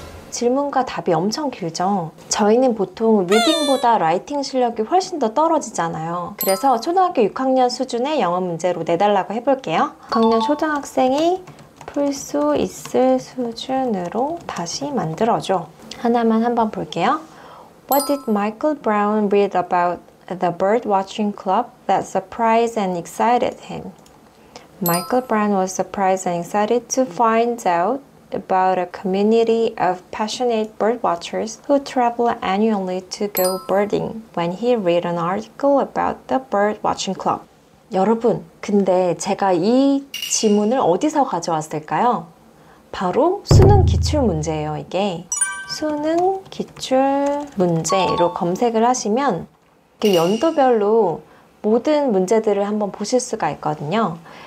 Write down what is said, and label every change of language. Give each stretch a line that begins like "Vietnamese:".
Korean: 질문과 답이 엄청 길죠? 저희는 보통 리딩보다 라이팅 실력이 훨씬 더 떨어지잖아요. 그래서 초등학교 6학년 수준의 영어 문제로 내달라고 해볼게요. 6학년 초등학생이 풀 수 있을 수준으로 다시 만들어줘. 하나만 한번 볼게요.
English: What did Michael Brown read about the bird watching club that surprised and excited him? Michael Brown was surprised and excited to find out about a community of passionate bird watchers who travel annually to go birding when he read an article about the bird watching club.
Korean: 여러분, 근데 제가 이 지문을 어디서 가져왔을까요? 바로 수능 기출 문제예요, 이게. 수능 기출 문제로 검색을 하시면 그 연도별로 모든 문제들을 한번 보실 수가 있거든요.